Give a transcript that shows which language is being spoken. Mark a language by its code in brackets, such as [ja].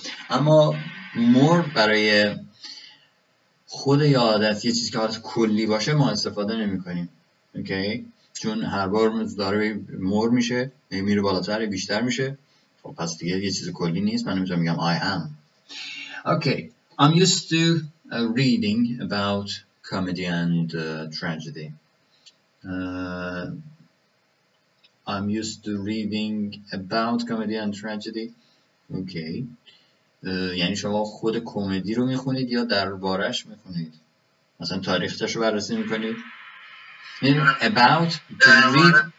[fa] اما مور برای خود یه عادت، یه چیزی که حالت کلی باشه، ما استفاده نمی کنیم. اوکی؟ چون هر بار داره مور میشه، میره بالاتر، بیشتر میشه، پس دیگه یه چیز کلی نیست، من نمیتونم میگم I am. [en] Okay, I'm used to reading about comedy and tragedy. I'm used to reading about comedy and tragedy. [fa] اوکی، یعنی شما خود کمدی رو میخونید یا دربارش میخونید؟ مثلا تاریخش رو بررسی میکنید؟ این about to read.